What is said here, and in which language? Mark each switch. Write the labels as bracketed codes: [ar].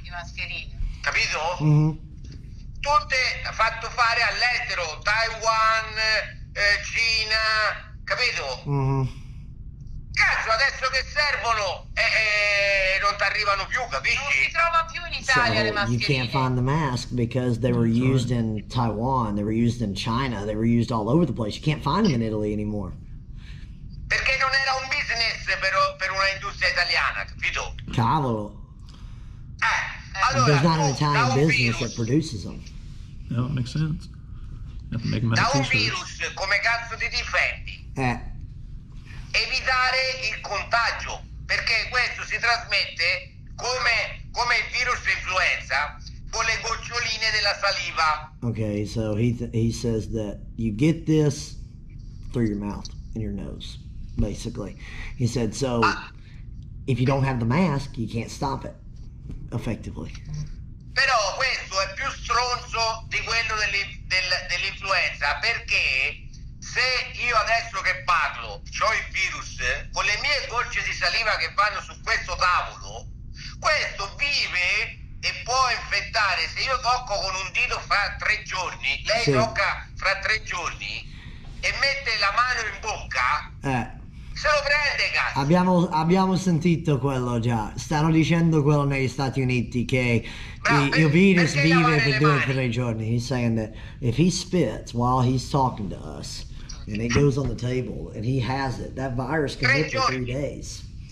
[it] Di mascherine. Capito? Mm-hmm. Tutte fatto fare all'estero, Taiwan, Cina, capito? Mm-hmm. Cazzo, adesso che servono non ti arrivano più, capisci? Non si trova più in Italia [en] so [it] le mascherine. [en] You can't find the mask because they were used in Taiwan, they were used in China, they were used all over the place. You can't find them in Italy anymore. [it] Perché non era un business per una industria italiana, capito? Cavolo. Allora, [en] there's not an Italian business [it] virus [en] that produces them. No, it makes sense. You have to make them [it] da un virus, come cazzo ti difendi? Evitare il contagio, perché questo si trasmette come il virus influenza con le goccioline della saliva. [en] Okay, so he says that you get this through your mouth and your nose, basically. He said, so if you don't have the mask, you can't stop it. effectively. [it] Però questo è più stronzo di quello dell'influenza, perché se io adesso che parlo c'ho il virus, con le mie gocce di saliva che vanno su questo tavolo, questo vive e può infettare. Se io tocco con un dito fra tre giorni, lei sì. tocca fra tre giorni e mette la mano in bocca, se lo prende, cazzo. Abbiamo sentito quello già. Stanno dicendo quello negli Stati Uniti, che il virus vive per due o tre giorni. [en] He's saying that if he spits while he's talking to us and it goes on the table and he has it, that virus can live for 3 days.